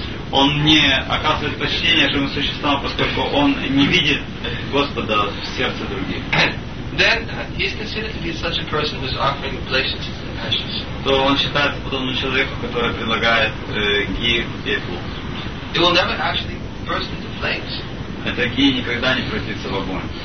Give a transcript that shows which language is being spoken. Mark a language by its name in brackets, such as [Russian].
[Russian] Он не оказывает почтения живым существам, поскольку он не видит Господа в сердце других. [English] Then he is considered to be such a person who is offering oblations to the ashes. [Russian] То он считается подобным человеку, который предлагает ги в пепел. [English] It will never actually burst into flames. [Russian] Это ги никогда не превратится в огонь.